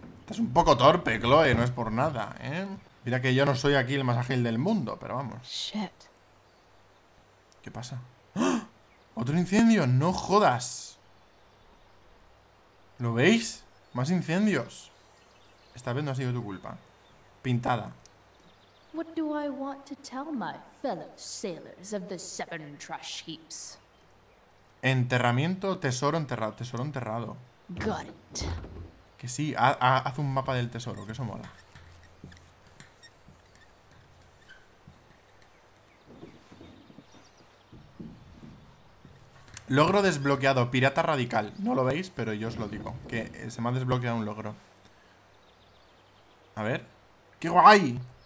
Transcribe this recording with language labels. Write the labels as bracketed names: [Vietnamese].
[Spanish] Estás un poco torpe, Chloe, no es por nada, ¿eh? Mira que yo no soy aquí el más ágil del mundo, pero vamos. [English] Shit. [Spanish] ¿Qué pasa? ¡Oh! ¡Otro incendio! ¡No jodas! ¿Lo veis? ¡Más incendios! Esta vez no ha sido tu culpa. Pintada. [English] What do I want to tell my fellow sailors of the seven trash heaps? [Spanish] Enterramiento, tesoro enterrado, tesoro enterrado. [English] Got it. [Spanish] Que sí, haz un mapa del tesoro, que eso mola. Logro desbloqueado, pirata radical. No lo veis, pero yo os lo digo, que se me ha desbloqueado un logro. A ver. ¡Qué guay!